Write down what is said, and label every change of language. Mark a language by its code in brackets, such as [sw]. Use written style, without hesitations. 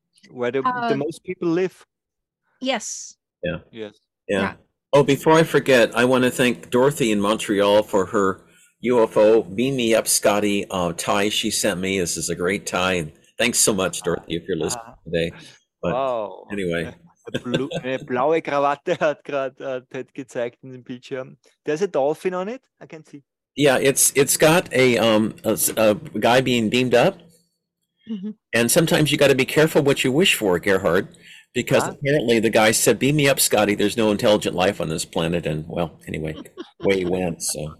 [en] Where the most people live. Yes. Yeah. Yes. Yeah. Oh, before I forget, I want to thank Dorothy in Montreal for her UFO beam me up, Scotty, tie she sent me. This is a great tie. And thanks so much, Dorothy, if you're listening today. But wow. Anyway. [de] Eine blaue Krawatte hat gerade Ted gezeigt in dem Bildschirm. [en] There's a dolphin on it. I can see. Yeah, it's got a guy being beamed up. And sometimes you got to be careful what you wish for, Gerhard, because apparently the guy said, beam me up, Scotty. There's no intelligent life on this planet. And well, anyway, way he went. So.